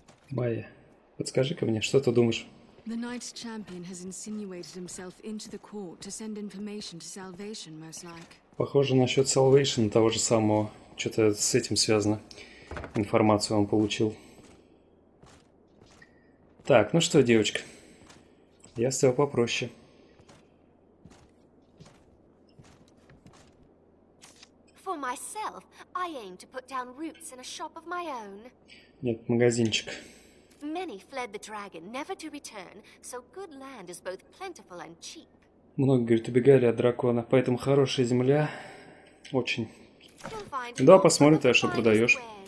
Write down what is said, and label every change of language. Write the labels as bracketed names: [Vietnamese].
[Russian] Майя, подскажи-ка мне, что ты думаешь? [English] The Knight's champion has insinuated himself into the court to send information to Salvation, most like. [Russian] Похоже, насчет Salvation того же самого. Что-то с этим связано. Информацию он получил. Так, ну что, девочка. Я с тебя попроще. [English] For myself, I aim to put down roots in a shop of my own. [Russian] Нет, магазинчик. [English] Many fled the dragon, never to return, so good land is both plentiful and cheap. [Russian] Много, говорит, убегали от дракона, поэтому хорошая земля. Очень. Да, посмотрим, ты что продаешь.